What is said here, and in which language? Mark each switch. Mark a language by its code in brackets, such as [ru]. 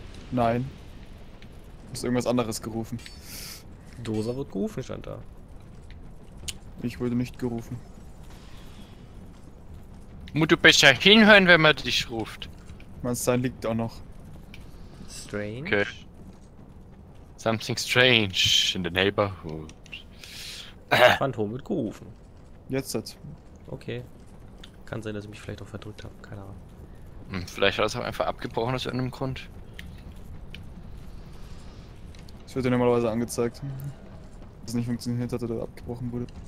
[de] Nein. Hast irgendwas anderes gerufen? Dosa wird gerufen, stand da. Ich wurde nicht gerufen. Muss du besser hinhören, wenn man dich ruft. Mein Stein liegt auch noch. [en] Strange. Okay. Something strange in the neighborhood. [de] Phantom wird gerufen. Jetzt hat's. Okay. Kann sein, dass ich mich vielleicht auch verdrückt habe. Keine Ahnung. Vielleicht hat es auch einfach abgebrochen aus irgendeinem Grund. Es wird ja normalerweise angezeigt, dass es nicht funktioniert hat oder abgebrochen wurde.